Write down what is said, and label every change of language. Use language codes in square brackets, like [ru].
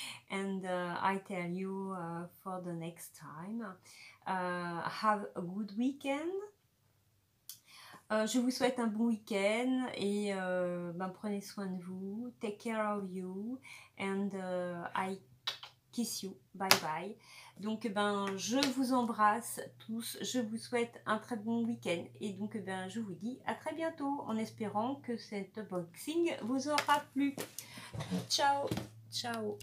[en] And I tell you for the next time. Have a good weekend. [fr] Je vous souhaite un bon week-end et prenez soin de vous. [en] Take care of you and I kiss you. Bye bye. [fr] Donc je vous embrasse tous. Je vous souhaite un très bon week-end. Et donc je vous dis à très bientôt, en espérant que cet unboxing vous aura plu. Ciao, ciao.